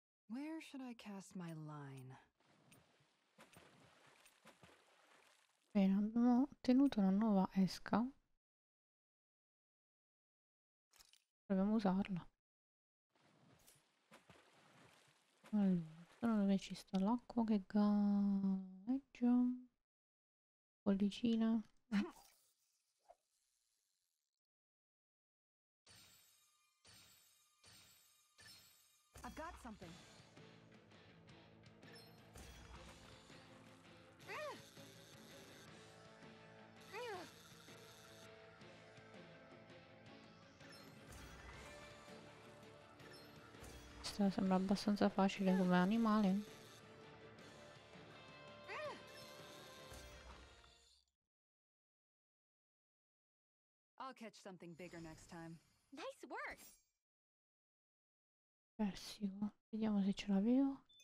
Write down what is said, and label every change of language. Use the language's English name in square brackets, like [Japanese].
[English] Where should I cast my line? [Italian] Bene, abbiamo ottenuto una nuova esca. Proviamo a usarla. Allora, dove ci sta l'acqua che galleggia? Bollicina. [English] I've got something. [Italian] Questo sembra abbastanza facile come animale. [English] I'll catch something bigger next time. Nice work. [Italian] Persico, vediamo se ce l'avevo.